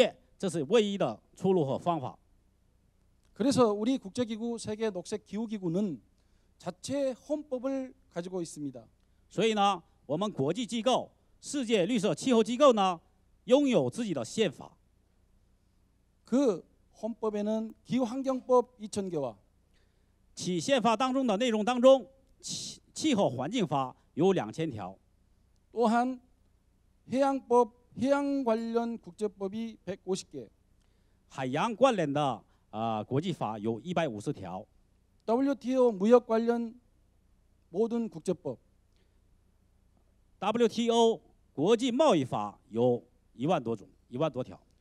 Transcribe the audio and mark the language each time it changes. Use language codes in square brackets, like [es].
[zh] 我们实现绿色商品、绿色产品，我们建立绿色企业，这是唯一的出路和方法。 [ko] 그래서 우리 국제기구 세계 녹색 기후기구는 자체 헌법을 가지고 있습니다. [zh] 所以呢，我们国际机构世界绿色气候机构呢，拥有自己的宪法。 [ko] 그 헌법에는 기후환경법 2000개와 [zh] 기宪法当中的内容当中气候环境法有2000条 [ko] 또한 해양법 해양 관련 국제법이 150개 해양 관련의 국제법 [zh] 有150条 [ko] WTO 무역 관련 모든 국제법 [zh] WTO 国际贸易法有10000多种10000多条